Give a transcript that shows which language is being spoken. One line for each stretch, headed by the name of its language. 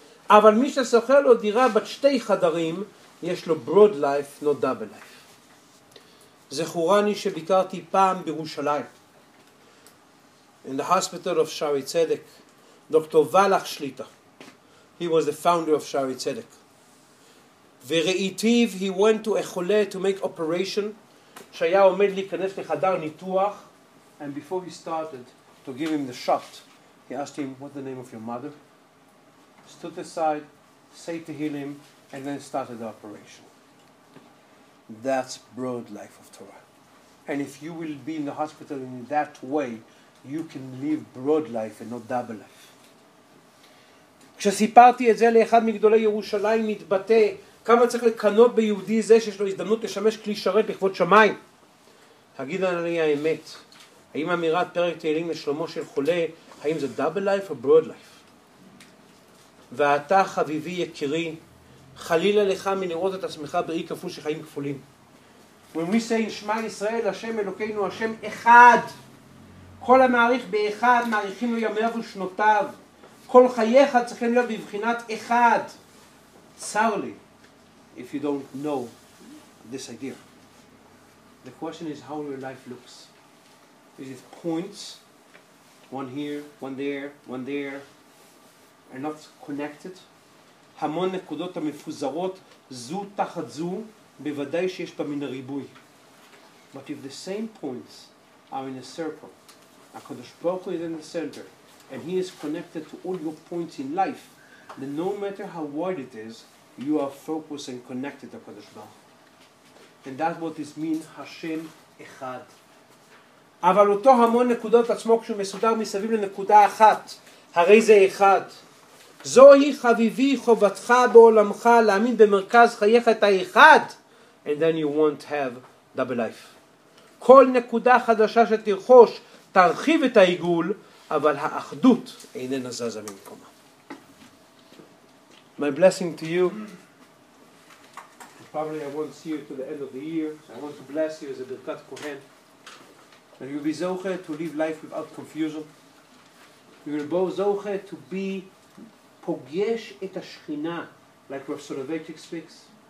Hebrew: אבל מי ששוכר לו דירה בת שתי חדרים, יש לו
English: broad life, not double life.
Hebrew: זכורני שביקרתי פעם בירושלים.
English: In the hospital of Shari Tzedek, Dr. Valach Shlita. He was the founder of Shari Tzedek.
Hebrew: וראיתיו,
English: he went to a chole to make operation,
Hebrew: שהיה עומד להיכנס לחדר ניתוח.
English: And before he started to give him the shot, he asked him, what's the name of your mother? Stood aside, say to heal him, and then started the operation. That's broad life of Torah. And if you will be in the hospital in that way, you can live broad life and not double life.
Hebrew: כשסיפרתי את זה לאחד מגדולי ירושלים, מתבטא כמה צריך לקנות ביהודי זה שיש לו הזדמנות לשמש כלי שרת לכבוד שמיים. תגיד לי האמת, האם אמירת פרק תהילים לשלומו של חולה, האם זה
English: double life or broad life?
Hebrew: ואתה חביבי יקירי, חלילה לך מנראות את עצמך באי כפול של חיים כפולים.
English: When we say in
Hebrew: שמע ישראל, השם אלוקינו, השם אחד, כל המעריך באחד, מעריכים לו ימיו ושנותיו, כל חייך צריכים להיות בבחינת אחד. צר לי,
English: if you don't know this idea. The question is how your life looks. Is it points, one here, one there, are not connected?
Hebrew: המון נקודות המפוזרות זו תחת זו, בוודאי שיש בה מן הריבוי.
English: But if the same points are in a circle, הקדוש ברוך הוא is in the center, and he is connected to all your points in life, then no matter how wide it is, you are focused and connected to Kadosh Baruch. And that's what this means, Hashem Echad.
Hebrew: אבל אותו המון נקודות עצמו כשהוא מסודר מסביב לנקודה אחת, הרי זה אחד. זוהי חביבי חובתך בעולמך להאמין במרכז חייך את האחד,
English: and then you won't have double life.
Hebrew: כל נקודה חדשה שתרחוש תרחיב את העיגול, אבל האחדות איננה זזה ממקומה.
English: My blessing to you. Probably I won't see you to the end of the year. So I want to bless you as a Birkat Kohen. And you'll be zoche to live life without confusion. You will be zoche to be pogesh et ha-shechina, like Rav Soloveitchik speaks.